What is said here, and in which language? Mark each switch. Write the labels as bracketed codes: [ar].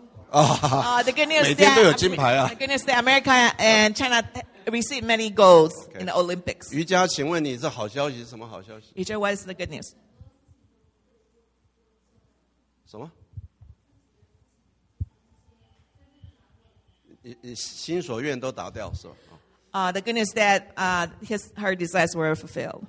[en] The good news is that America and China receive many golds in the Olympics. [zh] 余佳，请问你是好消息，什么好消息? [en] 余佳, what is the good news? [zh] 什么？你心所愿都达到是吧？ [en] The good news is that her desires were fulfilled.